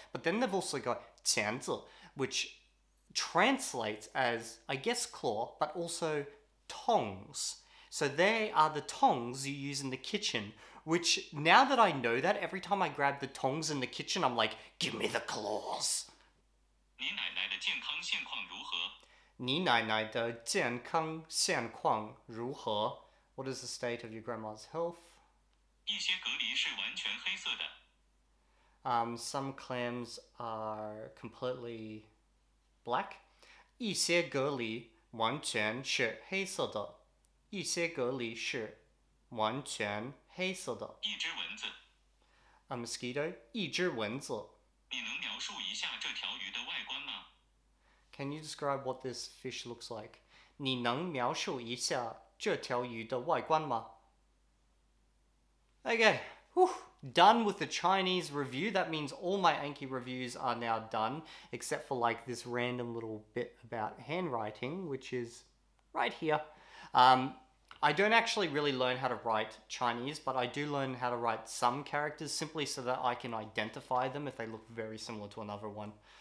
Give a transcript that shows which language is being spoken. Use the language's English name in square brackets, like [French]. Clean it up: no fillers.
[English] But then they've also got qianzi, which translates as, I guess, claw, but also tongs. So they are the tongs you use in the kitchen. Which, now that I know that, every time I grab the tongs in the kitchen, I'm like, give me the claws. [Chinese] 你奶奶的健康现况如何? 你奶奶的健康现况如何? [English] What is the state of your grandma's health? [Chinese] 一些隔离是完全黑色的. [English] Some clams are completely black. [Chinese] 一些隔离完全是黑色的. 一些隔离是完全黑色的. [English] A mosquito? [Chinese] 一只蚊子. [English] Can you describe what this fish looks like? [Chinese] 你能描述一下这条鱼的外观吗? [English] Okay, whew, done with the Chinese review. That means all my Anki reviews are now done, except for like this random little bit about handwriting, which is right here. I don't actually really learn how to write Chinese, but I do learn how to write some characters simply so that I can identify them if they look very similar to another one.